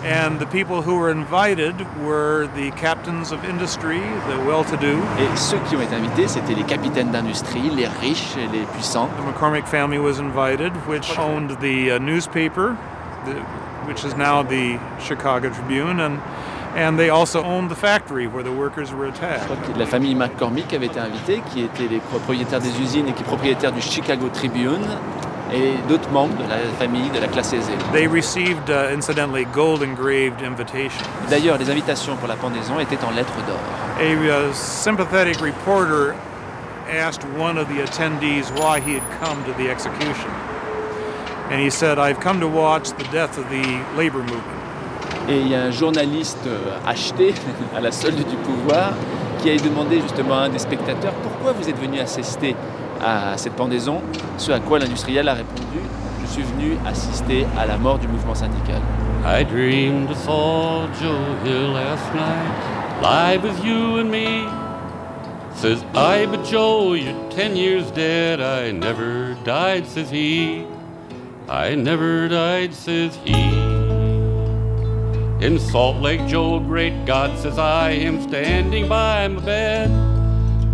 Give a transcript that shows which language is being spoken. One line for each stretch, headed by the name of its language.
English: And the people who were invited were the captains of industry, the well-to-do.
French: Et ceux qui ont été invités, c'était les capitaines d'industrie, les riches et les puissants.
English: The McCormick family was invited, which owned the newspaper, which is now the Chicago Tribune, and they also owned the factory where the workers were attacked.
French: La famille McCormick avait été invitée, qui était les propriétaires des usines et qui propriétaires du Chicago Tribune, et d'autres membres de la famille de la classe aisée.
English: They received incidentally gold engraved invitations.
French: D'ailleurs, les invitations pour la pendaison étaient en lettres d'or.
English: A sympathetic reporter asked one of the attendees why he had come to the execution. And he said, "I've come to watch the death of the labor movement."
French: Et il y a un journaliste acheté à la solde du pouvoir qui a demandé justement à un des spectateurs « Pourquoi vous êtes venu assister à cette pendaison ?» Ce à quoi l'industriel a répondu « Je suis venu assister à la mort du mouvement syndical. »
English: I dreamed of fall Joe Hill last night, live with you and me. Says I, but Joe, you're 10 years dead, I never died, says he. I never died, says he. In Salt Lake Joe, great God, says I am standing by my bed.